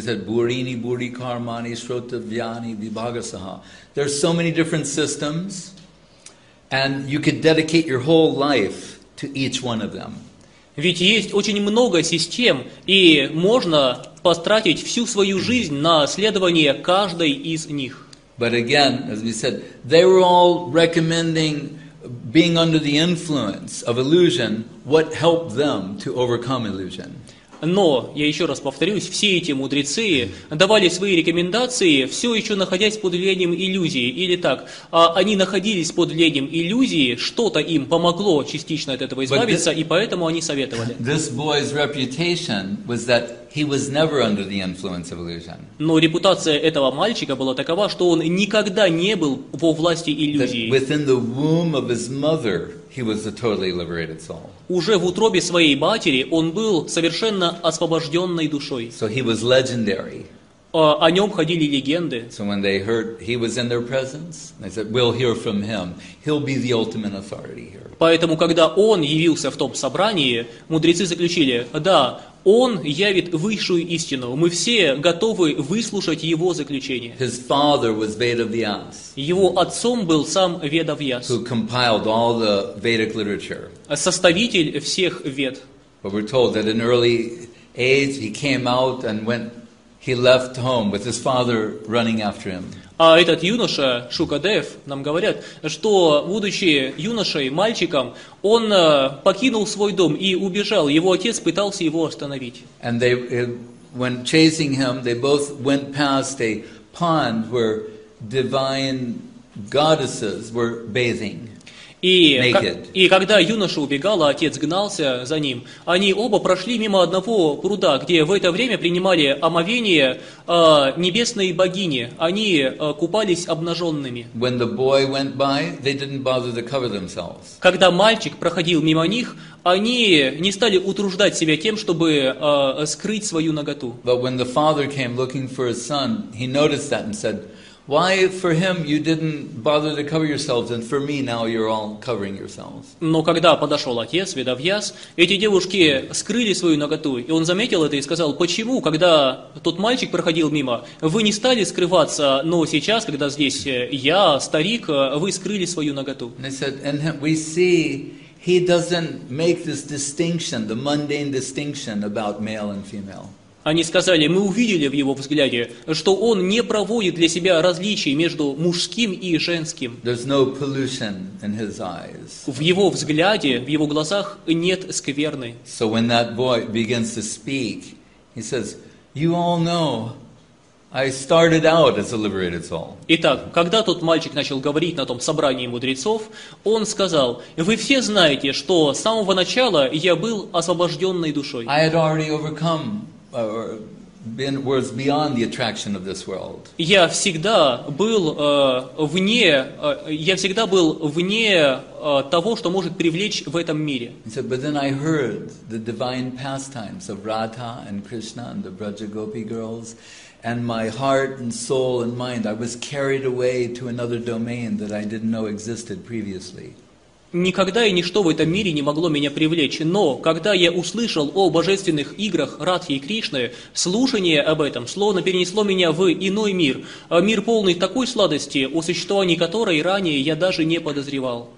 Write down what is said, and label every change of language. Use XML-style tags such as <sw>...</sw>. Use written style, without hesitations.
<sa>Бурини, бури, кармани, шрута, вьяни, вибагасаха.</sa> <en>There are so many different systems, and you could dedicate your whole life to each one of them.</en> <ru>Ведь есть очень много систем, и можно потратить всю свою жизнь на следование каждой из них.</ru> <en>But again, as we said, they were all recommending being under the influence of illusion, what helped them to overcome illusion.</en> <ru>Но, я еще раз повторюсь, все эти мудрецы давали свои рекомендации, все еще находясь под влиянием иллюзии. Или так, они находились под влиянием иллюзии, что-то им помогло частично от этого избавиться, и поэтому они советовали.</ru> <en>This boy's reputation was that he was never under the influence of illusion.</en> <ru>Но репутация этого мальчика была такова, что он никогда не был во власти иллюзии.</ru> <en>That within the womb of his mother, he was a totally liberated soul.</en> <ru>Уже в утробе своей матери он был совершенно освобожденной душой.</ru> <en>So he was legendary.</en> <ru>О нем ходили легенды.</ru> <en>So when they heard he was in their presence, they said, "We'll hear from him. He'll be the ultimate authority here."</en> <ru>Поэтому, когда он явился в том собрании, мудрецы заключили: да, он явит высшую истину. Мы все готовы выслушать его заключение.</ru> <en>His father was Veda Vyas.</en> <ru>Его отцом был сам Веда Вьяс.</ru> <en>Who compiled all the Vedic literature.</en> <ru>Составитель всех Вед.</ru> <en>But we're told that in early age he came out and went. He left home with his father running after him.</en> <ru>А этот юноша, Шукадев, нам говорят, что, будучи юношей, мальчиком, он покинул свой дом и убежал. Его отец пытался его остановить.</ru> <en>And they, when chasing him, they both went past a pond where divine goddesses were bathing.</en> <ru>И когда юноша убегал, а отец гнался за ним, они оба прошли мимо одного пруда, где в это время принимали омовение небесные богини. Они купались обнаженными.</ru> <en>When the boy went by, they didn't bother to cover themselves.</en> <ru>Когда мальчик проходил мимо них, они не стали утруждать себя тем, чтобы скрыть свою наготу.</ru> <en>But when the father came looking for his son, he noticed that and said, "Why for him you didn't bother to cover yourselves, and for me now you're all covering yourselves?"</en> <ru>Но когда подошел отец, Веда Вьяс, эти девушки скрыли свою наготу, и он заметил это и сказал: "Почему, когда тот мальчик проходил мимо, вы не стали скрываться, но сейчас, когда здесь я, старик, вы скрыли свою наготу?"</ru> <en>And they said, "And we see he doesn't make this distinction, the mundane distinction about male and female."</en> <ru>Они сказали: мы увидели в его взгляде, что он не проводит для себя различий между мужским и женским.</ru> <en>There's no pollution in his eyes.</en> <ru>В его взгляде, в его глазах нет скверны.</ru> <en>So when that boy begins to speak, he says, "You all know, I started out as a liberated soul."</en> <ru>Итак, когда тот мальчик начал говорить на том собрании мудрецов, он сказал: вы все знаете, что с самого начала я был освобожденной душой.</ru> <en>I had already overcome or been was beyond the attraction of this world.</en> <ru>Я всегда был вне, я всегда был вне того, что может привлечь в этом мире.</ru> <en>So, but then I heard the divine pastimes of Radha and Krishna and the Brajagopi girls, and my heart and soul and mind, I was carried away to another domain that I didn't know existed previously.</en> <ru>Никогда и ничто в этом мире не могло меня привлечь, но когда я услышал о божественных играх Радхи и Кришны, слушание об этом словно перенесло меня в иной мир, мир полный такой сладости, о существовании которой ранее я даже не подозревал.</ru>